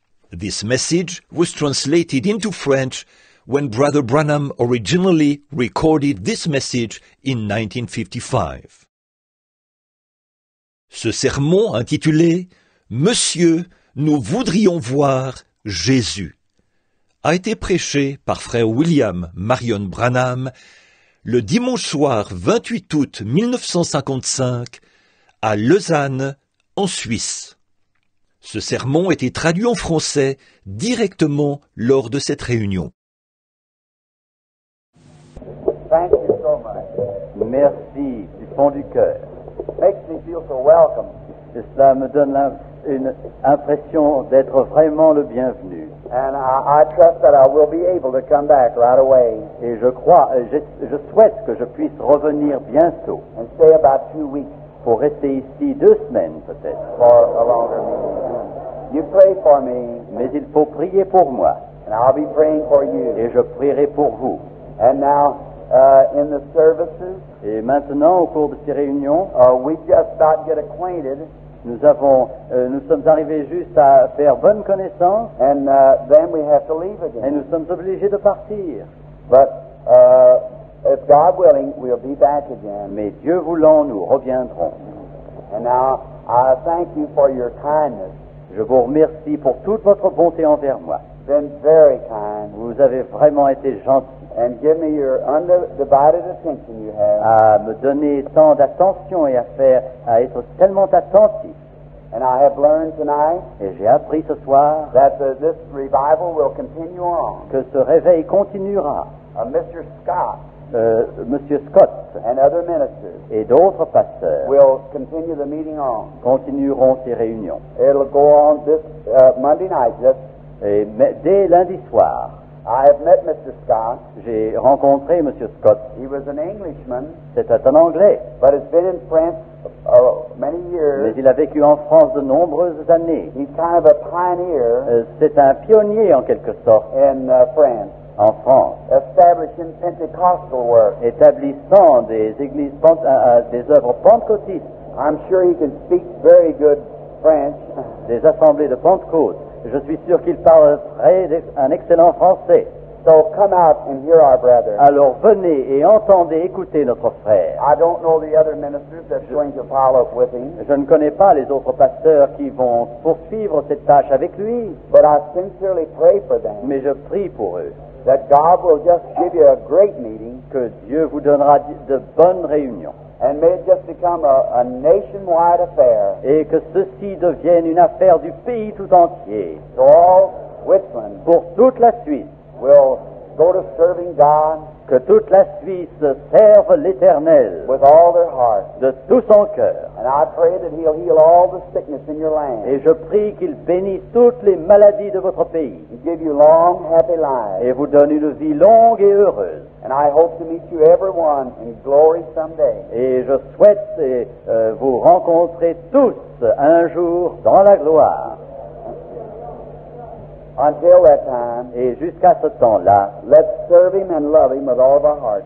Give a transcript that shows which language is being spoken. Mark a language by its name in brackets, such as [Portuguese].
[English] This message was translated into French when Brother Branham originally recorded this message in 1955. [French] Ce sermon intitulé « Monsieur, nous voudrions voir Jésus » a été prêché par Frère William Marion Branham le dimanche soir 28 août 1955 à Lausanne, en Suisse. Ce sermon était traduit en français directement lors de cette réunion. [English] Thank you so much. [French] Merci du fond du cœur. [English] Makes me feel so welcome. [French] Et cela me donne une impression d'être vraiment le bienvenu. [English] And I trust that I will be able to come back right away. [French] Et je souhaite que je puisse revenir bientôt. [English] And stay about 2 weeks. [French] Pour rester ici 2 semaines peut-être. [English] For a longer meeting. You pray for me. [French] Mais il faut prier pour moi. [English] And I'll be praying for you. [French] Et je prierai pour vous. [English] And now, in the services. [French] Et maintenant, au cours de ces réunions, [English] we just about get acquainted. [French] Nous sommes arrivés juste à faire bonne connaissance. [English] And then we have to leave again. [French] Et nous sommes obligés de partir. [English] But if God willing, we'll be back again. [French] Mais Dieu voulant, nous reviendrons. [English] And now, I thank you for your kindness. [French] Je vous remercie pour toute votre bonté envers moi. [English] Been very kind. [French] Vous avez vraiment été gentil. [English] And give me your undivided attention you have. [French] À me donner tant d'attention et à être tellement attentif. [English] And I have learned tonight. [French] Et j'ai appris ce soir. [English] That this revival will continue on. [French] Que ce réveil continuera. [English] Mr. Scott. [French] Monsieur Scott. [English] And other ministers. [French] Et d'autres pasteurs. [English] Will continue the meeting on. [French] Continueront ces réunions. [English] It'll go on this Monday night. Just. [French] Et dès lundi soir. [English] I have met Mr. Scott. [French] J'ai rencontré Monsieur Scott. [English] He was an Englishman. [French] C'était un Anglais. [English] But has been in France many years. [French] Mais il a vécu en France de nombreuses années. [English] He's kind of a pioneer. [French] C'est un pionnier en quelque sorte. [English] In France. [French] En France. [English] Establishing Pentecostal work. [French] Établissant des églises des œuvres pentecôtistes. [English] I'm sure he can speak very good French. [French] Des assemblées de Pentecôte. Je suis sûr qu'il parle un excellent français. [English] So come out and hear our brother. [French] Alors venez et entendez, écoutez notre frère. [English] I don't know the other ministers that are going to follow up with him. [French] Je ne connais pas les autres pasteurs qui vont poursuivre cette tâche avec lui. [English] But I sincerely pray for them. [French] Mais je prie pour eux. [English] That God will just give you a great meeting. [French] Que Dieu vous donnera de bonnes réunions. [English] And may it just become a nationwide affair. [French] Et que ceci devienne une affaire du pays tout entier. [English] So all Switzerland. [French] Pour toute la Suisse. [English] Will go to serving God. [French] Que toute la Suisse serve l'Éternel. [English] With all their heart. [French] De tout son cœur. [English] And I pray that he'll heal all the sickness in your land. [French] Et je prie qu'il bénisse toutes les maladies de votre pays. [English] He'll give you long, happy lives. [French] Et vous donne une vie longue et heureuse. [English] And I hope to meet you everyone in glory someday. [French] Et je souhaite vous rencontrer tous un jour dans la gloire. [English] Until that time, [French] et jusqu'à ce temps-là, [English] let's serve him and love him with all of our heart.